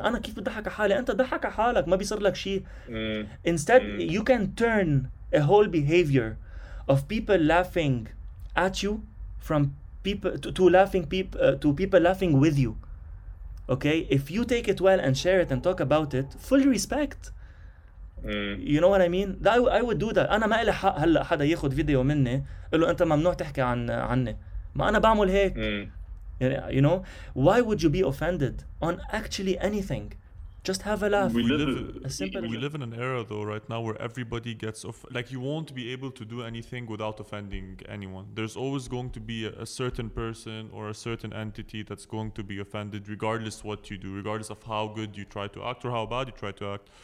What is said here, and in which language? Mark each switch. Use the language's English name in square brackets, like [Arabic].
[Arabic] أنا كيف بضحك حالي؟ أنت ضحك حالك, ما بيصير لك شيء. [English] Instead, you can turn a whole behavior of people laughing at you from people to people laughing with you. Okay, if you take it well and share it and talk about it, full respect. You know what I mean? I would do that. [Arabic] أنا ما إلي حق هلا حدا ياخد فيديو مني قل له أنت ممنوع تحكي عني. ما أنا بعمل هيك. [English] You know, why would you be offended on actually anything? Just have a laugh. We live in an era though right now where everybody gets like you won't be able to do anything without offending anyone. There's always going to be a certain person or a certain entity that's going to be offended regardless what you do, regardless of how good you try to act or how bad you try to act.